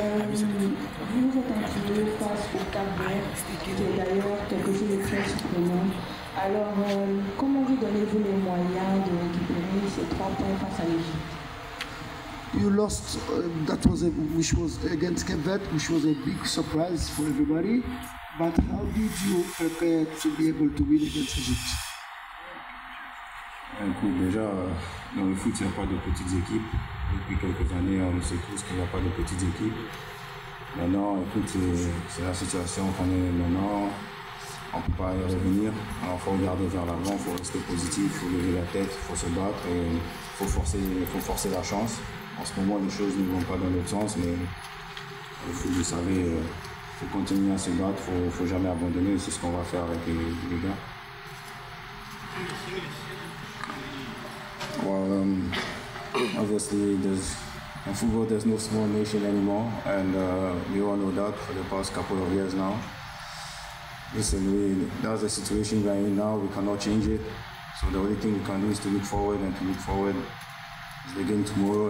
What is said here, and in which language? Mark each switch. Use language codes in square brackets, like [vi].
[fr] Vous êtes un petit peu face au Cap Vert, qui est d'ailleurs quelque chose de très surprenant. Alors, comment vous donnez-vous les moyens de récupérer ces trois points face à l'Égypte? [en] You lost, which was against Cap Vert, which was a big surprise for everybody. But how did you prepare to be able to win against Egypt? [fr] Écoute, déjà, dans le foot, il n'y a pas de petites équipes. Depuis quelques années, on sait tous qu'il n'y a pas de petites équipes. Maintenant, écoute, c'est la situation qu'on est maintenant. on ne peut pas y revenir. Alors il faut regarder vers l'avant, il faut rester positif, il faut lever la tête, il faut se battre et il faut forcer la chance. En ce moment, les choses ne vont pas dans l'autre sens, mais vous savez, il faut continuer à se battre, il ne faut jamais abandonner, c'est ce qu'on va faire avec les gars. [en] Well, obviously, in football, there's no small nation anymore, and we all know that for the past couple of years now. Listen, that's the situation we're in now. We cannot change it. So the only thing we can do is to look forward, and to look forward is the game tomorrow.